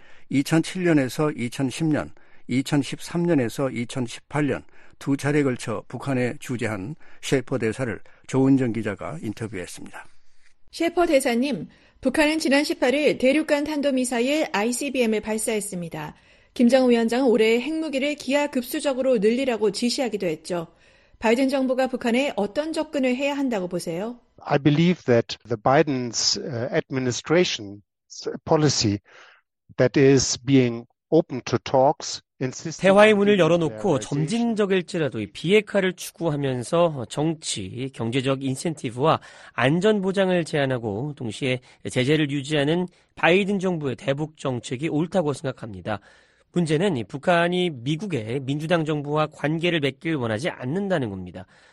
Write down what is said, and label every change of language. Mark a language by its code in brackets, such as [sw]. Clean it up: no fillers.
[ko] 2007년에서 2010년, 2013년에서 2018년 두 차례 걸쳐 북한에 주재한 셰퍼 대사를 조은정 기자가 인터뷰했습니다. 셰퍼 대사님, 북한은 지난 18일 대륙간 탄도미사일 ICBM을 발사했습니다. 김정은 위원장은 올해 핵무기를 기하급수적으로 늘리라고 지시하기도 했죠. 바이든 정부가 북한에 어떤 접근을 해야 한다고 보세요? [en] I believe that the Biden's administration policy that is being open to talks [ko] 대화의 문을 열어놓고 점진적일지라도 비핵화를 추구하면서 정치, 경제적 인센티브와 안전보장을 제한하고 동시에 제재를 유지하는 바이든 정부의 대북 정책이 옳다고 생각합니다. 문제는 북한이 미국의 민주당 정부와 관계를 맺길 원하지 않는다는 겁니다.